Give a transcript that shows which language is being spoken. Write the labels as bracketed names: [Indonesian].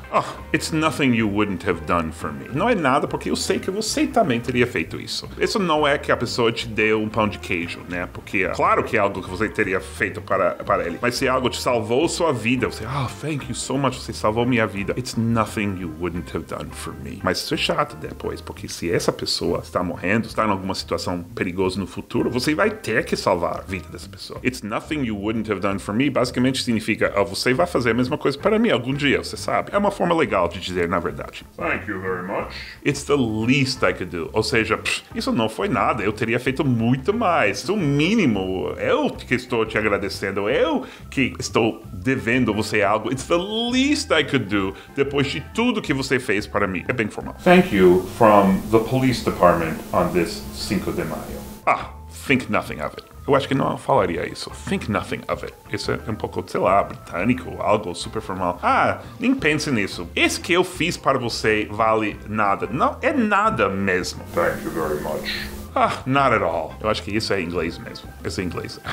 [English] Oh, it's nothing you wouldn't have done for me. [Portuguese] Não é nada, porque eu sei que você também teria feito isso. Isso não é que a pessoa te deu um pão de queijo, né? Porque é claro que é algo que você teria feito para ele. Mas se algo te salvou sua vida, você... [English] Oh, thank you so much, [Portuguese] você salvou minha vida. [English] It's nothing you wouldn't have done for me. [Portuguese] Mas isso é chato depois, porque se essa pessoa está morrendo, está em alguma situação perigosa no futuro, você vai ter que salvar a vida dessa pessoa. [English] It's nothing you wouldn't have done for me [Portuguese] basicamente significa, oh, você vai fazer a mesma coisa para mim algum dia, você sabe. É uma forma legal de dizer, na verdade. [English] Thank you very much. It's the least I could do. [Portuguese] Ou seja, isso não foi nada. Eu teria feito muito mais. O mínimo. Eu que estou te agradecendo. Eu que estou devendo você algo. [English] It's the least I could do [Portuguese] depois de tudo que você fez para mim. É bem formal. [English] Thank you from the police department on this Cinco de Mayo. Ah, think nothing of it. [Portuguese] Eu acho que não falaria isso. [English] Think nothing of it. [Portuguese] Isso é um pouco, sei lá, britânico, algo super formal. Ah, nem pense nisso. Isso que eu fiz para você vale nada. Não, é nada mesmo. [English] Thank you very much. Ah, not at all. [Portuguese] Eu acho que isso é inglês mesmo. Isso é inglês.